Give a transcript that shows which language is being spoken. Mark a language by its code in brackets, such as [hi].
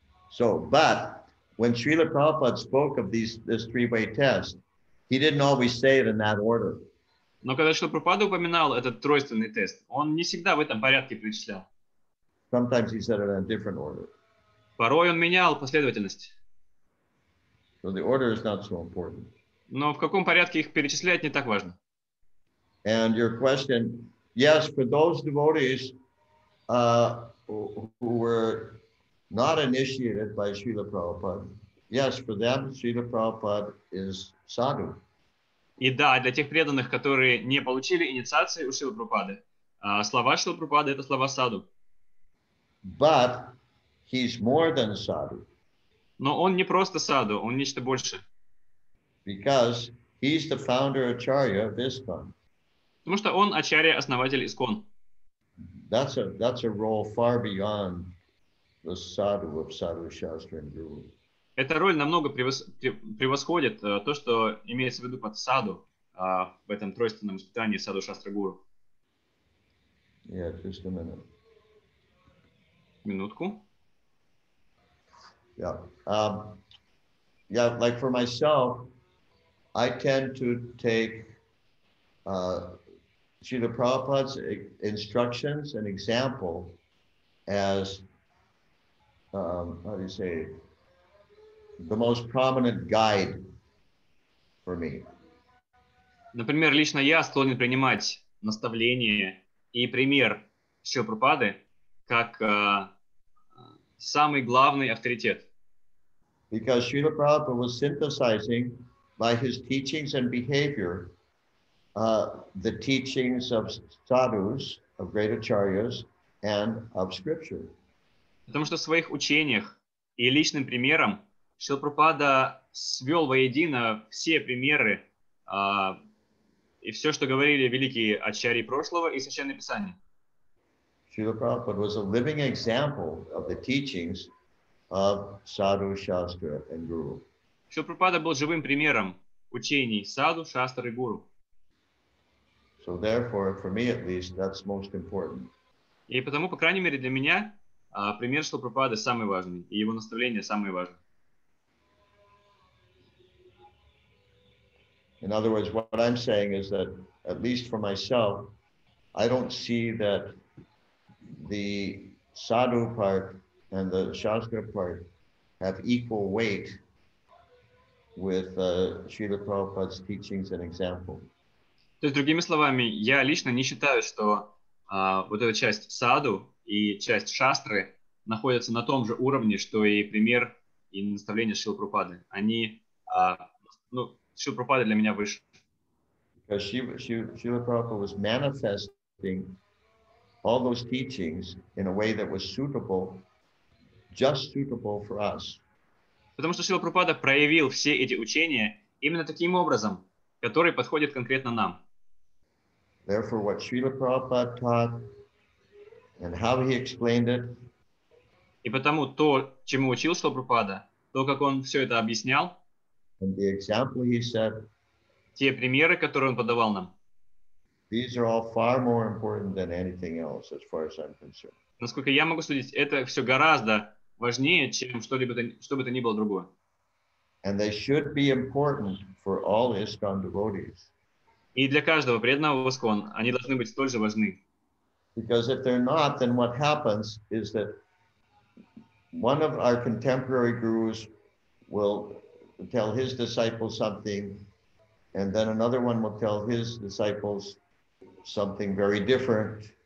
[en] So, but when Srila Prabhupada spoke of this three-way test, he didn't always say it in that order. [ru] Но когда Шрила Прабхупада упоминал этот тройственный тест, он не всегда в этом порядке перечислял. [en] Sometimes he said it in a different order. [ru] Порой он менял последовательность. [en] So the order is not so important. [ru] Но в каком порядке их перечислять не так важно. [en] And your question, yes, for those devotees who were not initiated by Srila Prabhupada, yes, for them Srila Prabhupada is sadhu. [ru] И да, для тех преданных, которые не получили инициации у Шрилы Прабхупады, слова Шрилы Прабхупады — это слова саду. [en] But he's more than sadhu. [ru] Но он не просто саду, он нечто больше. [en] Because he's the founder acharya of ISKCON. [ru] Потому что он ачарья-основатель ИСКОН. Mm-hmm. [en] That's a role far beyond the sadhu of sadhu shastra and guru. [ru] Эта роль намного превосходит то, что имеется в виду под саду в этом тройственном испытании саду шастра гуру. [en] Yeah, just a minute. [ru] Минутку. [en] Yeah. Yeah, like for myself, I tend to take Srila Prabhupada's instructions and example as how do you say the most prominent guide for me. [ru] Например, лично я склонен принимать наставления и пример Шрилы Прабхупады как самый главный авторитет. [en] Because Srila Prabhupada was synthesizing by his teachings and behavior the teachings of sadhus, of great acharyas, and of scripture. [ru] Потому что в своих учениях и личным примером Шрила Прабхупада свел воедино все примеры и все, что говорили великие ачарьи прошлого и священные писания. [en] Шрила Прабхупада was a living example of the teachings of sadhu, shastra, and guru. [ru] Шрила Прабхупада был живым примером учений саду, шастры и гуру. [en] So therefore, for me at least, that's most important. [ru] И потому, по крайней мере, для меня пример Шрилы Прабхупады самый важный, и его наставления самые важные. [en] In other words, what I'm saying is that, at least for myself, I don't see that the sadhu part and the shastra part have equal weight with Srila Prabhupada's teachings and example. [ru] То есть, другими словами, я лично не считаю, что вот эта часть саду и часть шастры находятся на том же уровне, что и пример и наставление Шрилы Прабхупады. Они, Шрила Прабхупада для меня выше. [en] Because Srila Prabhupada was manifesting all those teachings in a way that was suitable, just suitable for us. [ru] Потому что Шрила Прабхупада проявил все эти учения именно таким образом, который подходит конкретно нам. [en] Therefore, what Srila Prabhupada taught and how he explained it. [ru] И потому то, чему учил Шрила Прабхупада, то, как он все это объяснял, [en] and the example he set, [ru] те примеры, которые он подавал нам, [en] these are all far more important than anything else, as far as I'm concerned. [ru] Насколько я могу судить, это все гораздо важнее, чем что бы то ни было другое. [en] And they should be important for all ISKCON devotees. [ru] И для каждого преданного в ISKCON они должны быть столь же важны. [en] Because if they're not, then what happens is that one of our contemporary gurus will tell his disciples something, and then another one will tell his disciples something very different.